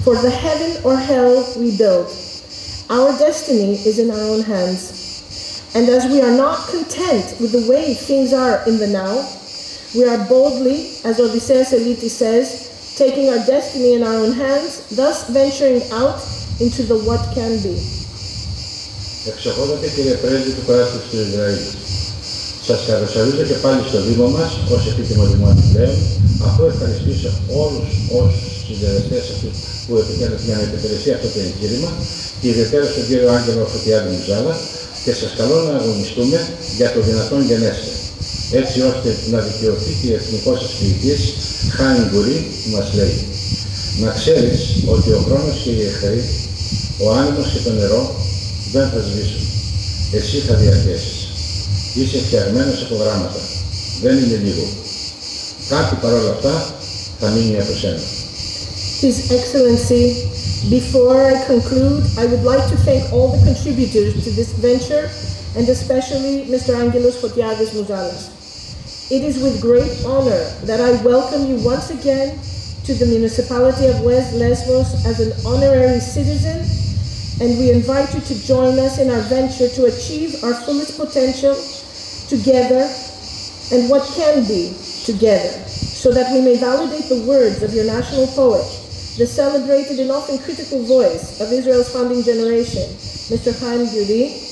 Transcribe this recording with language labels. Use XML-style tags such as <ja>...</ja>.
<en>For the heaven or hell we build, our destiny is in our own hands. And as we are not content with the way things are in the now, we are boldly, as Odysseus Elitis says, taking our destiny in our own hands, thus venturing out into the what can be."</en> <el>Εξοχότατε, κύριε Πρέσβη του Κράτους του Ισραήλ. Σας καλωσορίζω και πάλι στο Δήμο μας, ως επίτιμο Δημότη πλέον, αφού ευχαριστήσω όλους όσους συντελεστές αυτούς που επιτέλεσαν για να υπηρεσεί αυτό το εγχείρημα, και ιδιαίτερα στον κύριο Άγγελο Φωτιάδη Μουζάλα, και σας καλώ να αγωνιστούμε για το δυνατόν γενέστε, έτσι ώστε να δικαιωθεί και η εθνικός σας ποιητής, Χάνι Γκουρί, που μας λέει: "Να ξέρεις ότι ο χρόνος και η εχθρή, ο άνεμος και το νερό, δεν θα σβήσουν. Εσύ θα διαρκέσεις. Είσαι φτιαγμένος από γράμματα. Δεν είναι λίγο. Κάτι παρόλα αυτά θα μείνει από σένα."</el> <en>His Excellency, before I conclude, I would like to thank all the contributors to this venture and especially Mr. Angelos Fotiades Mouzalas. It is with great honor that I welcome you once again to the municipality of West Lesbos as an honorary citizen, and we invite you to join us in our venture to achieve our fullest potential together and what can be together, so that we may validate the words of your national poet, the celebrated and often critical voice of Israel's founding generation, Mr. Chaim Gudi.</en>